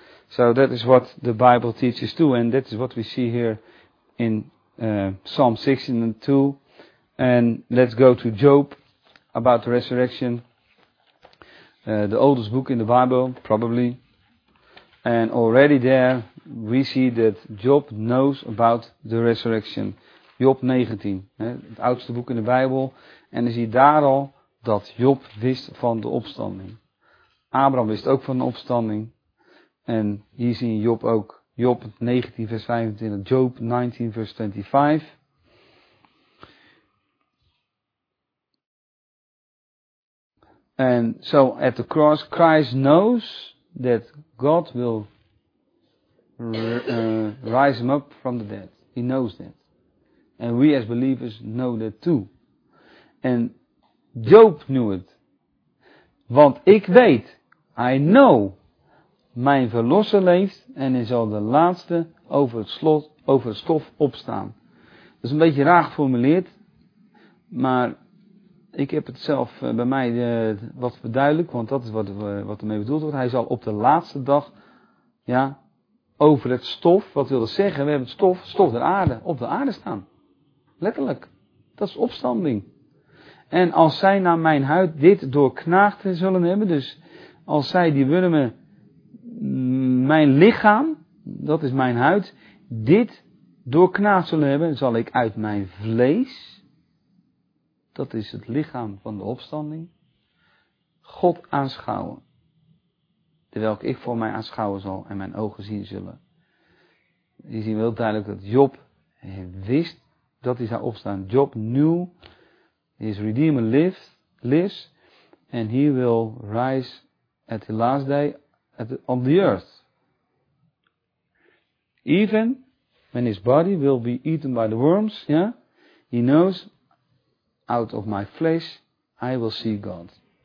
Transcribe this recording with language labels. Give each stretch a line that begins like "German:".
English: So that is what the Bible teaches too. And that is what we see here in Psalm 16:2. And let's go to Job about the resurrection. The oldest book in the Bible, probably. And already there, we see that Job knows about the resurrection.
Dutch: Job 19, het oudste boek in de Bijbel. En dan zie je daar al dat Job wist van de opstanding. Abraham wist ook van de opstanding. En hier zie je Job ook. Job 19 vers 25, Job 19 vers 25.
English: And so at the cross, Christ knows that God will rise him up from the dead. He knows that. And we as believers know that too.
Dutch: En Job
English: knew
Dutch: het. Want ik weet,
English: I know,
Dutch: mijn verlosser leeft en hij zal de laatste over het stof opstaan. Dat is een beetje raar geformuleerd, maar ik heb het zelf bij mij wat verduidelijk, want dat is wat ermee bedoeld wordt. Hij zal op de laatste dag, ja, over het stof, wat wil dat zeggen? We hebben het stof der aarde, op de aarde staan. Letterlijk. Dat is opstanding. En als zij naar mijn huid dit doorknaagd zullen hebben, dus als zij die wurmen, mijn lichaam, dat is mijn huid, dit doorknaagd zullen hebben, zal ik uit mijn vlees, dat is het lichaam van de opstanding, God aanschouwen. Terwijl ik voor mij aanschouwen zal en mijn ogen zien zullen. Je ziet heel duidelijk dat Job wist dat hij zou opstaan.
English: Job knew his redeemer lives and he will rise at the last day on the earth. Even when his body will be eaten by the worms, yeah, he knows out of my flesh I will see God.